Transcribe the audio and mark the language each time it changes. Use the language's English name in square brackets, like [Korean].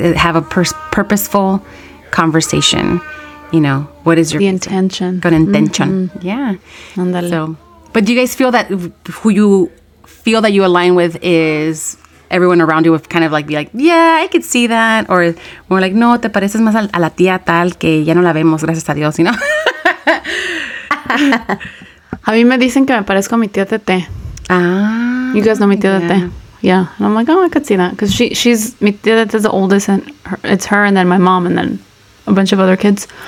[English] Have a purposeful conversation. You know, what is your intention? [Spanish] Con [English] intention. Mm-hmm. Yeah. [Spanish] Andale. [English] So, but do you guys feel that who you feel that you align with is... everyone around you would kind of like be like, yeah, I could see that. Or more like, [Spanish] no, te pareces más a la tía tal que ya no la vemos, gracias a Dios, [English] you know? [Spanish] A mí me dicen que me parezco a mi tía Tete. Ah. [English] You guys know [Spanish] mi tía Tete. [English] Yeah. And I'm like, oh, I could see that. Because she's, [Spanish] mi tía Tete [English] is the oldest, and it's her and then my mom and then a bunch of other kids.